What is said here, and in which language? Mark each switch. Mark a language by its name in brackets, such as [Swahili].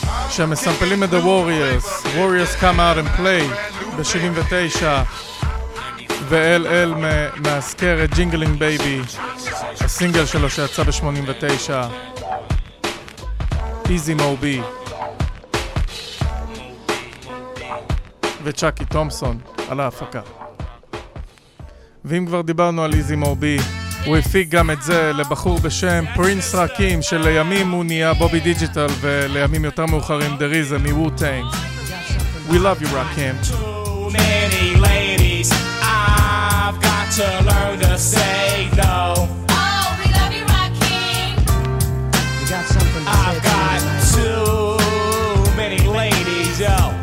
[Hebrew] שמסמפלים את The Warriors. Warriors come out and play ב-79, ו-LL מאזכר את Jingling Baby, הסינגל שלו שיצא ב-89, Easy Moby וצ'אקי תומסון על ההפקה. ואם כבר דיברנו על Easy Moby, הוא הפיק גם את זה לבחור בשם פרינס רקים, שלימים הוא נהיה בובי דיג'יטל ולימים יותר מאוחרים דריזה מ-Wu-Tang. [English] We love you, רקים. Too many ladies, I've got to learn to say no. Oh, we love you, רקים. I've got too many ladies, yo.